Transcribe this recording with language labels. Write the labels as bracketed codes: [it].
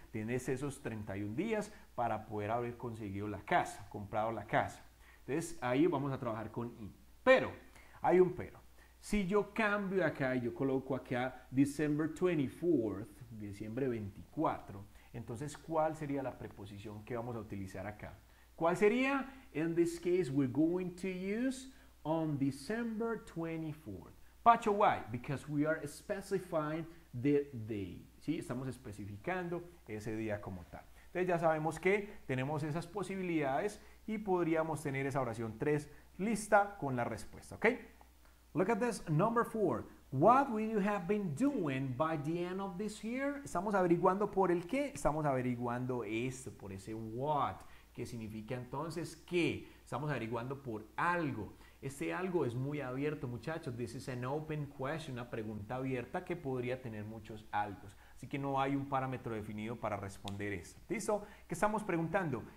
[es] Tienes esos 31 días para poder haber conseguido la casa, comprado la casa. Entonces, ahí vamos a trabajar con in. Pero, hay un pero. Si yo cambio acá y yo coloco acá December 24th, diciembre 24, entonces, ¿cuál sería la preposición que vamos a utilizar acá? ¿Cuál sería? [en] In this case, we're going to use on December 24th. Pacho, why? Because we are specifying the day. [es] ¿Sí? Estamos especificando ese día como tal. Entonces, ya sabemos que tenemos esas posibilidades y podríamos tener esa oración 3 lista con la respuesta, ¿ok? [en] Look at this, number 4. What will you have been doing by the end of this year? [es] Estamos averiguando por el qué. Estamos averiguando esto, por ese what, que significa entonces qué. Estamos averiguando por algo. Este algo es muy abierto, muchachos. [en] This is an open question, [es] una pregunta abierta que podría tener muchos algos. Así que no hay un parámetro definido para responder esto. ¿Listo? ¿Qué estamos preguntando?